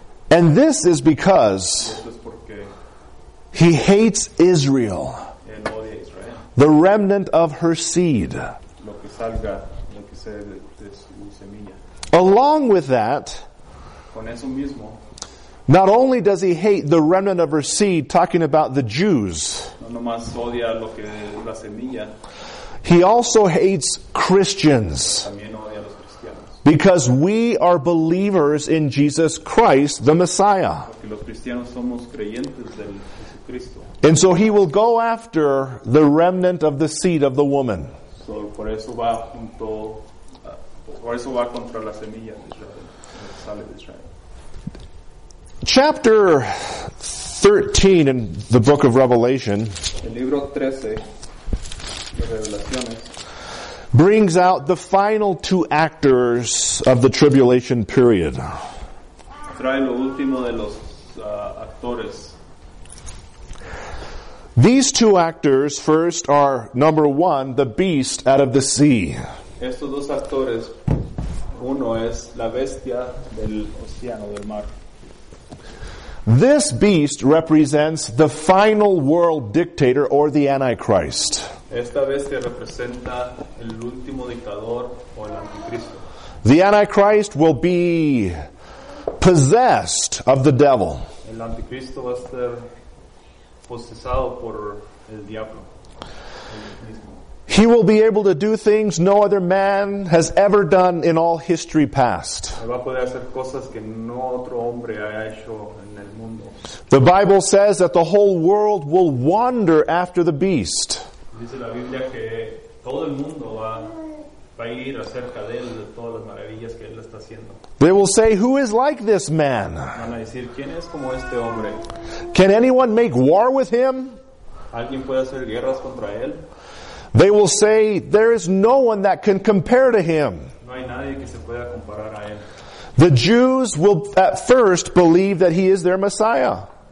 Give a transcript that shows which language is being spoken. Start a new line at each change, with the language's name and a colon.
English: And this is because he hates Israel. The remnant of her seed.
Spanish: Lo que salga, lo que sea de su semilla.
English: Along with that,
Spanish: con eso mismo,
English: not only does he hate the remnant of her seed, talking about the Jews,
Spanish: no nomás odia lo que es la semilla,
English: he also hates Christians.
Spanish: También odia los cristianos.
English: Because we are believers in Jesus Christ, the Messiah.
Spanish: Porque los cristianos somos creyentes del Jesucristo.
English: And so he will go after the remnant of the seed of the woman.
Spanish: So por eso va junto, por eso va contra la semilla de Israel, sale de Israel.
English: Chapter 13 in the book of Revelation,
Spanish: el libro 13 de Revelaciones,
English: brings out the final two actors of the tribulation period.
Spanish: Trae lo último de los actores.
English: These two actors first are, number one, the beast out of the sea.
Spanish: Estos dos actores, uno es la bestia del océano, del mar.
English: This beast represents the final world dictator or the Antichrist.
Spanish: Esta bestia representa el último dictador o el anticristo.
English: The Antichrist will be possessed of the devil.
Spanish: El anticristo va a ser posesado por el diablo.
English: He will be able to do things no other man has ever done in all history past.
Spanish: Va a poder hacer cosas que no otro hombre haya hecho en el mundo.
English: The Bible says that the whole world will wander after the beast.
Spanish: Dice la Biblia que todo el mundo va a ir acerca de él, de todas las maravillas que él está haciendo.
English: They will say, "Who is like this man?
Spanish: Van a decir, ¿quién es como este hombre?
English: Can anyone make war with him?
Spanish: ¿Alguien puede hacer guerras contra él?
English: They will say, "There is no one that can compare to him."
Spanish: No hay nadie que se pueda comparar a él.
English: The Jews will at first believe that he is their Messiah.